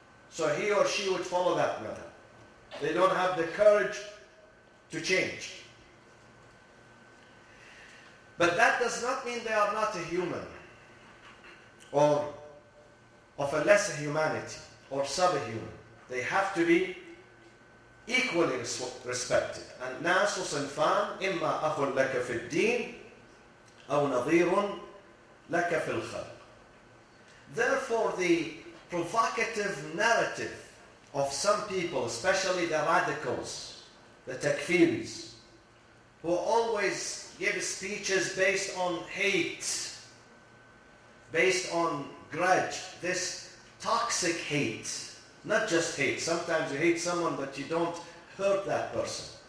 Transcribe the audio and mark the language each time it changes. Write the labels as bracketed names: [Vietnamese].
[English] So he or she would follow that madhab. They don't have the courage to change. But that does not mean they are not a human or of a lesser humanity or subhuman. They have to be equally respected. [Arabic] And ناس صنفان إما أخ لك في الدين أو نظير لك في الخلق. [English] Therefore, the provocative narrative of some people, especially the radicals, the takfiris, who always give speeches based on hate, based on grudge, this toxic hate, not just hate, sometimes you hate someone but you don't hurt that person.